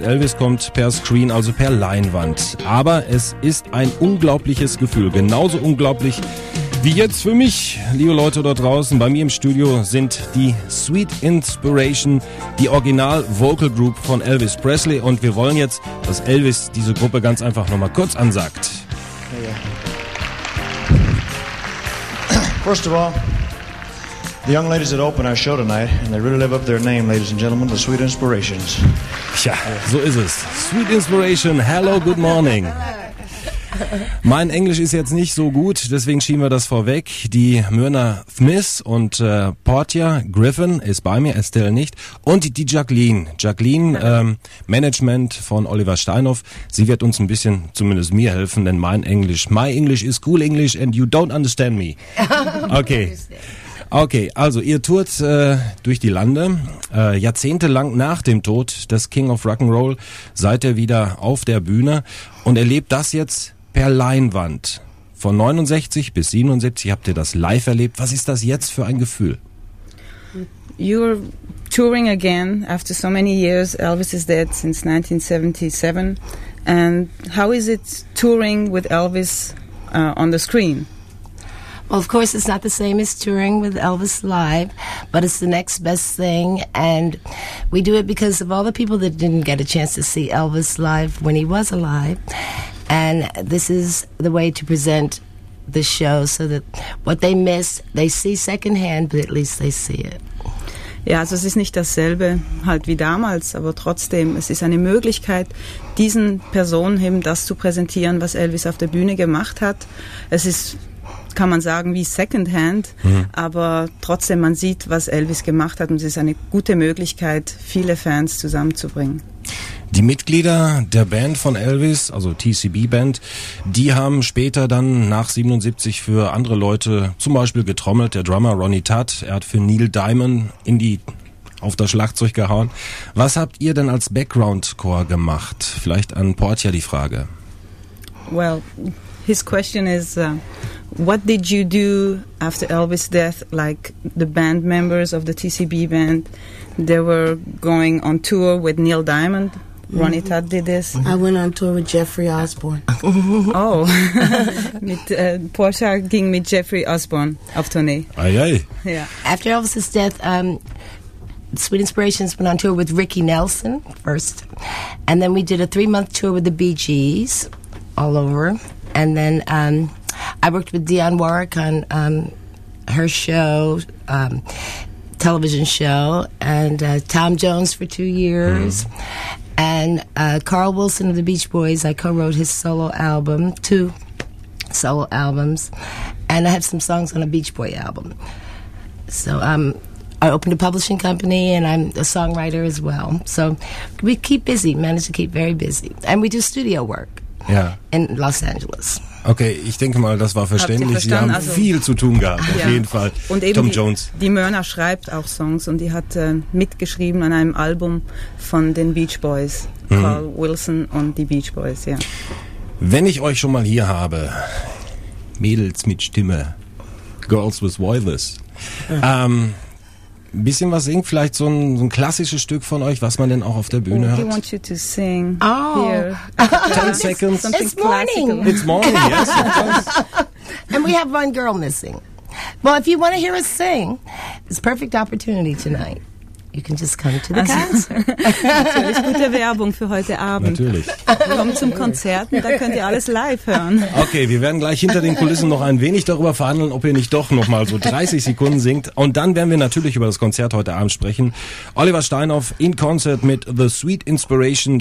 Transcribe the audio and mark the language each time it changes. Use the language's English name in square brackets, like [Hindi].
[German] Elvis kommt per Screen, also per Leinwand. Aber es ist ein unglaubliches Gefühl, genauso unglaublich wie jetzt für mich, liebe Leute da draußen, bei mir im Studio sind die Sweet Inspiration, die Original-Vocal-Group von Elvis Presley. Und wir wollen jetzt, dass Elvis diese Gruppe ganz einfach nochmal kurz ansagt. [English] First of all, the young ladies that open our show tonight, and they really live up their name, ladies and gentlemen, the Sweet Inspirations. [German] Tja, so ist es. [English] Sweet Inspiration, hello, good morning. [German] Mein Englisch ist jetzt nicht so gut, deswegen schieben wir das vorweg. Die Myrna Smith und Portia Griffin ist bei mir, Estelle nicht. Und die Jacqueline. Jacqueline, Management von Oliver Steinhoff. Sie wird uns ein bisschen, zumindest mir, helfen, denn mein Englisch, [English] my English is cool English and you don't understand me. Okay. [German] Okay, also ihr tourt durch die Lande, jahrzehntelang nach dem Tod des King of Rock'n'Roll seid ihr wieder auf der Bühne und erlebt das jetzt per Leinwand. Von 69 bis 77 habt ihr das live erlebt. Was ist das jetzt für ein Gefühl? [English] You're touring again after so many years. Elvis is dead since 1977. And how is it touring with Elvis on the screen? Well, of course, it's not the same as touring with Elvis live, but it's the next best thing. And we do it because of all the people that didn't get a chance to see Elvis live when he was alive. And this is the way to present the show so that what they miss, they see secondhand, but at least they see it. [German] Ja, also es ist nicht dasselbe halt wie damals, aber trotzdem, es ist eine Möglichkeit, diesen Personen eben das zu präsentieren, was Elvis auf der Bühne gemacht hat. Es ist, kann man sagen, wie Secondhand, aber trotzdem, man sieht, was Elvis gemacht hat, und es ist eine gute Möglichkeit, viele Fans zusammenzubringen. Die Mitglieder der Band von Elvis, also TCB Band, die haben später dann nach 77 für andere Leute zum Beispiel getrommelt. Der Drummer Ronnie Tutt, er hat für Neil Diamond auf das Schlagzeug gehauen. Was habt ihr denn als Background-Chor gemacht? Vielleicht an Portia die Frage. [English] Well, his question is, what did you do after Elvis' death, like the band members of the TCB Band? They were going on tour with Neil Diamond. Ronnie Tutt did this. I went on tour with Jeffrey Osborne. Oh. [German] Portia ging mit Jeffrey Osborne auf Tournee. Ay, ay. [English] Yeah. After Elvis' death, Sweet Inspirations went on tour with Ricky Nelson first. And then we did a 3-month tour with the Bee Gees all over. And then I worked with Dionne Warwick on her show, television show, and Tom Jones for 2 years. And Carl Wilson of the Beach Boys, I co-wrote his solo album, 2 solo albums, and I have some songs on a Beach Boy album. So I opened a publishing company, and I'm a songwriter as well. So we keep busy, manage to keep very busy. And we do studio work in Los Angeles. [German] Okay, ich denke mal, das war verständlich. Sie haben also viel zu tun gehabt, auf jeden Fall. Und eben Tom Jones. Die Myrna schreibt auch Songs, und die hat mitgeschrieben an einem Album von den Beach Boys. Carl Wilson und die Beach Boys, ja. Wenn ich euch schon mal hier habe, Mädels mit Stimme, [English] Girls with Voices, [German] bisschen was singen, vielleicht so ein klassisches Stück von euch, was man denn auch auf der Bühne hört. [English] We want you to sing. Oh. Here. 10 seconds. It's morning. It's morning, yes. And we have one girl missing. Well, if you want to hear us sing, it's a perfect opportunity tonight. You can just come to the concert. [German] Natürlich, gute Werbung für heute Abend. Natürlich. Kommt zum Konzert und da könnt ihr alles live hören. Okay, wir werden gleich hinter den Kulissen noch ein wenig darüber verhandeln, ob ihr nicht doch nochmal so 30 Sekunden singt. Und dann werden wir natürlich über das Konzert heute Abend sprechen. Oliver Steinhoff in Concert mit The Sweet Inspiration.